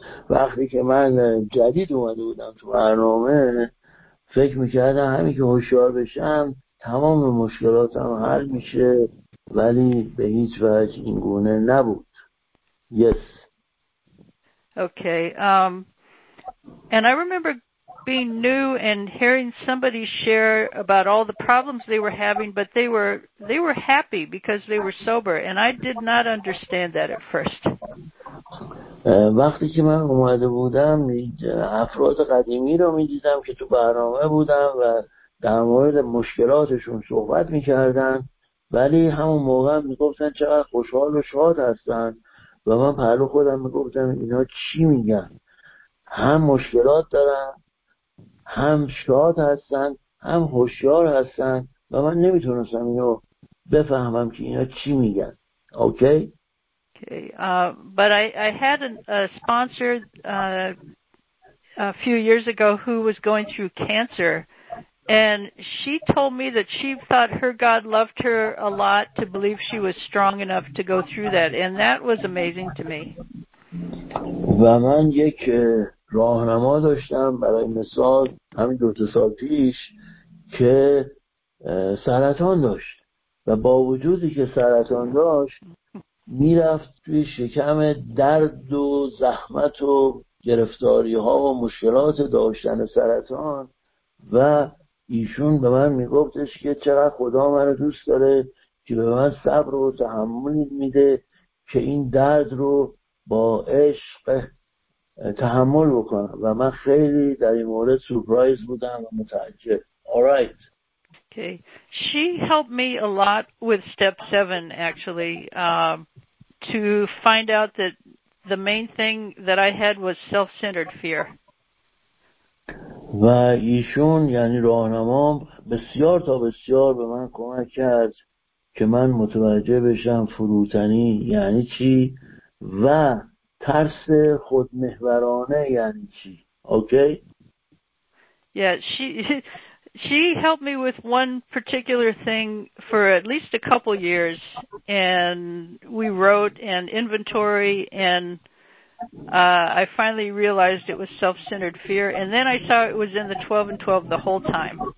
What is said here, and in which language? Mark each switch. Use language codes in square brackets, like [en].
[fa] وقتی که من جدید اومده بودم تو برنامه فکر میکردم همین که هوشیار بشم تمام مشکلاتم حل میشه، ولی به هیچ وجه این گونه نبود. [en] Yes. Okay. And I remember being new and hearing somebody share about all the problems they were having, but they were happy because they were sober, and I did not understand that at first. [fa] وقتی که من اومده بودم افراد قدیمی رو میدیدم که تو برنامه بودم و در مورد مشکلاتشون صحبت میکردن، ولی همون موقع میگفتن چقدر خوشحال و شاد هستن و من پهلو خودم میگفتم اینا چی میگن، هم مشکلات دارن هم شاد هستن هم هوشیار هستن و من نمیتونستم اینو بفهمم که اینا چی میگن. اوکی؟ [en] Okay, but I had a sponsor a few years ago who was going through cancer, and she told me that she thought her God loved her a lot to believe she was strong enough to go through that, and that was amazing to me. [fa] و من یک راهنما داشتم برای مثال همین دو سال پیش که سرطان داشت و با وجودی که سرطان داشت می رفت توی شکم درد و زحمت و گرفتاری ها و مشکلات داشتن سرطان و ایشون به من می گفتش که چقدر خدا من رو دوست داره که به من صبر و تحمل می ده که این درد رو با عشق تحمل بکنم و من خیلی در این مورد سورپرایز بودم و متعجب. [en] Alright. Okay. She helped me a lot with step 7 actually to find out that the main thing that I had was self-centered fear. [fa] و ایشون یعنی راهنمام بسیار تا بسیار به من کمک کرد که من متوجه بشم فروتنی یعنی چی و ترس خودمحورانه یعنی چی. [en] Okay? Yeah, she helped me with one particular thing for at least a couple years, and we wrote an inventory, and I finally realized it was self-centered fear, and then I saw it was in the 12 and 12 the whole time.